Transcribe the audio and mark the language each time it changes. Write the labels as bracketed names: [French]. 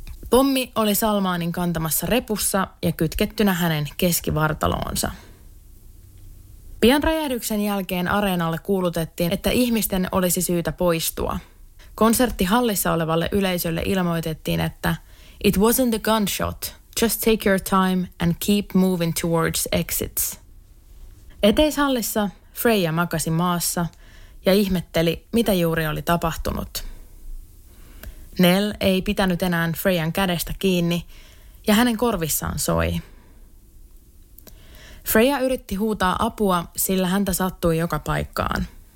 [Finnish] Pommi oli Salmanin kantamassa repussa ja kytkettynä hänen keskivartaloonsa. Pian räjähdyksen jälkeen areenalle kuulutettiin, että ihmisten olisi syytä poistua. Konserttihallissa olevalle yleisölle ilmoitettiin, että [English] "It wasn't a gunshot. Just take your time and keep moving towards exits." [Finnish] Eteishallissa Freya makasi maassa ja ihmetteli, mitä juuri oli tapahtunut. Nell ei pitänyt enää Freyan kädestä kiinni ja hänen korvissaan soi. Freya yritti huutaa apua, sillä häntä sattui joka paikkaan.